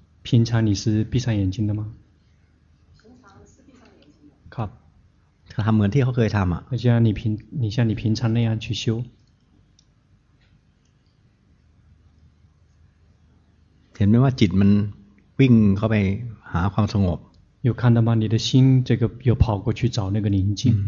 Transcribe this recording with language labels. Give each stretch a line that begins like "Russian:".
Chinese: 平常你是闭上眼睛的吗？平常是闭上眼睛的。
Thai: ครับ เขาทำเหมือนที่เขาเคยทำอ่ะ
Chinese: 像你平常那样去修
Thai: เห็นไหมว่าจิตมันวิ่งเข้าไปหาความสงบ
Chinese: 有看到吗你的心这个又跑过去找那个宁静